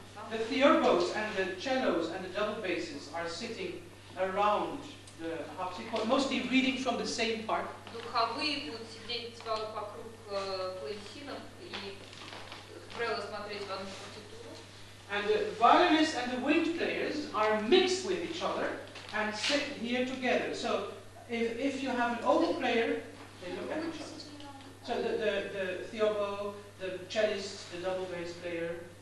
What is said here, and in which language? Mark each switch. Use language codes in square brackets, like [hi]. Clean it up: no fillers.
[en] The theorbos and the cellos and the double basses are sitting around the harpsichord, mostly reading from the same part. [ru] Духовые будут сидеть вокруг клавесинов и правило смотреть в одну партитуру. [en] And the violinists and the wind players are mixed with each other and sit here together. So if you have an oboe player, they look at each other. So the theorbo, the cellist, the double bass player.